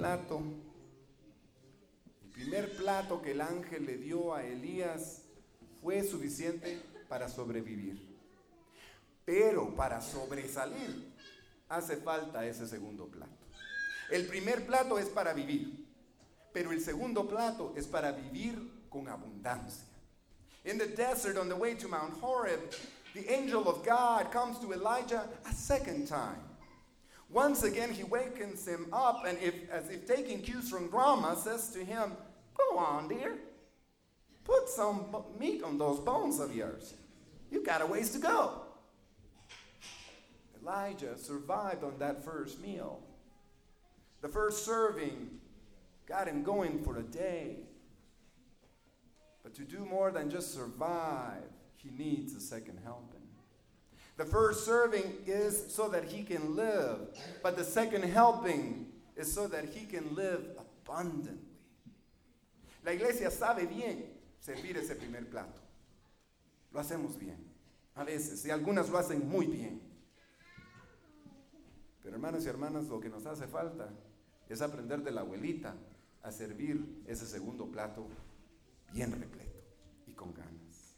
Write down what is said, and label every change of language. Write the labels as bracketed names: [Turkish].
[Spanish] El primer plato que el ángel le dio a Elías fue suficiente para sobrevivir. Pero para sobresalir hace falta ese segundo plato. El primer plato es para vivir, pero el segundo plato es para vivir con abundancia. [English] In the desert on the way to Mount Horeb, the angel of God comes to Elijah a second time. Once again, he wakens him up and as if taking cues from drama, says to him, go on, dear. Put some meat on those bones of yours. You got a ways to go. Elijah survived on that first meal. The first serving got him going for a day. But to do more than just survive, he needs a second helping. The first serving is so that he can live, but the second helping is so that he can live abundantly. [Spanish] La iglesia sabe bien servir ese primer plato. Lo hacemos bien, a veces, y algunas lo hacen muy bien. Pero hermanos y hermanas, lo que nos hace falta es aprender de la abuelita a servir ese segundo plato bien repleto y con ganas.